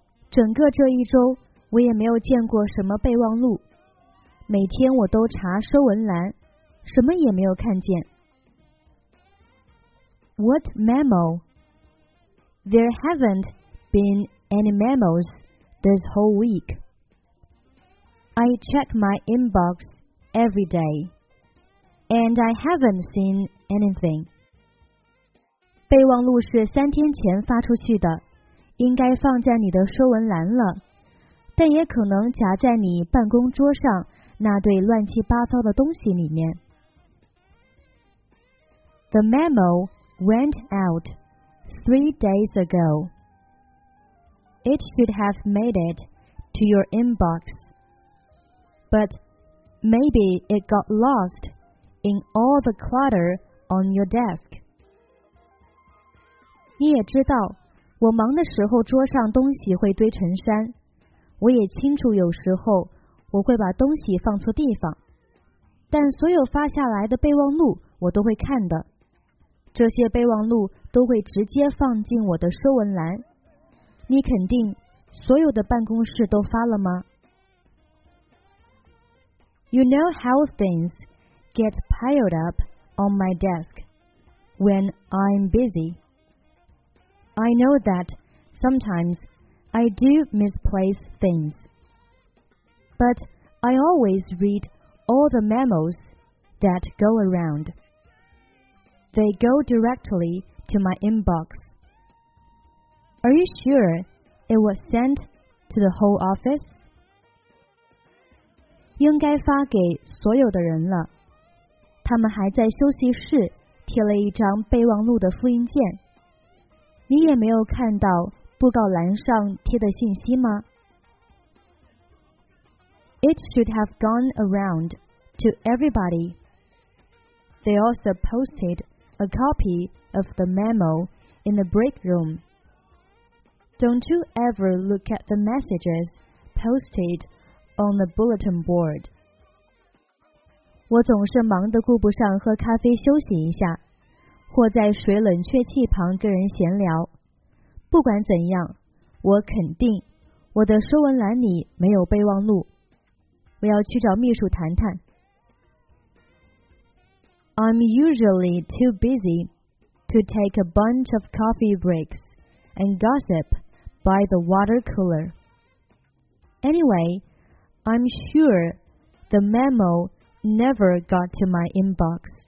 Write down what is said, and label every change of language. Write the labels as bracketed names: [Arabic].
[Chinese] 整个这一周我也没有见过什么备忘录，每天我都查收文栏，什么也没有看见。 [English] What memo? There haven't been any memos this whole week. I check my inbox every day and I haven't seen anything. [Chinese] 备忘录是三天前发出去的，应该放在你的收文栏了，但也可能夹在你办公桌上那堆乱七八糟的东西里面。 [English] The memo went out 3 days ago. It should have made it to your inbox, but maybe it got lost in all the clutter on your desk. [Chinese] 你也知道我忙的时候桌上东西会堆成山，我也清楚有时候我会把东西放错地方，但所有发下来的备忘录我都会看的，这些备忘录都会直接放进我的收文栏。你肯定所有的办公室都发了吗？ [English] You know how things get piled up on my desk when I'm busyI know that sometimes I do misplace things, but I always read all the memos that go around. They go directly to my inbox. Are you sure it was sent to the whole office? [Chinese] 应该发给所有的人了。他们还在休息室贴了一张备忘录的复印件。你也没有看到布告栏上贴的信息吗？ [English] It should have gone around to everybody. They also posted a copy of the memo in the break room. Don't you ever look at the messages posted on the bulletin board. [Chinese] 我总是忙得顾不上喝咖啡休息一下，或在水冷却气旁跟人闲聊。不管怎样，我肯定我的收文栏里没有备忘录。我要去找秘书谈谈。 [English] I'm usually too busy to take a bunch of coffee breaks and gossip by the water cooler. Anyway, I'm sure the memo never got to my inbox.